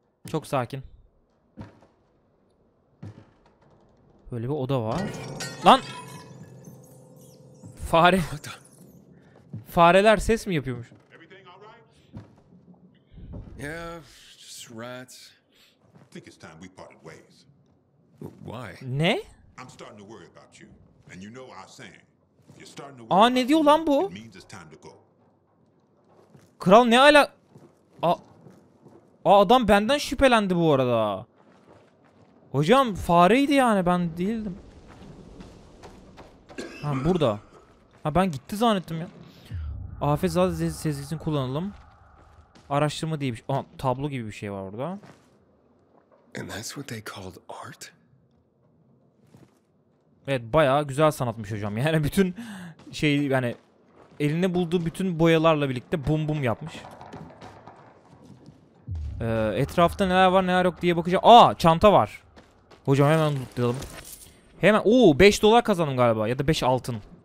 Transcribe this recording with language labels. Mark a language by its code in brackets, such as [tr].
[tr] Çok sakin. Böyle bir oda var. Lan! Fare. Fareler ses mi yapıyormuş? [en] Yeah, just rats. I think it's time we parted ways. Why? Ne? I'm starting to worry about you. And you know our saying. You're starting to worry. [tr] Aa, ne diyor lan bu? [en] It means it's time to go. [tr] Kral ne ala? Aa, adam benden şüphelendi bu arada. Hocam fareydi yani, ben değildim. Ha, burada. Ha, ben gitti zannettim ya. Afetzade sezgisini kullanalım. Araştırma diye bir şey. Aa, tablo gibi bir şey var orada. [en] And that's what they called art? [tr] Evet, bayağı güzel sanatmış hocam. Yani bütün şey, yani eline bulduğu bütün boyalarla birlikte bum bum yapmış. Etrafta neler var neler yok diye bakacağım. Aa, çanta var. Hocam hemen unutalım. Hemen, oo, 5 dolar kazandım galiba. Ya da 5 altın.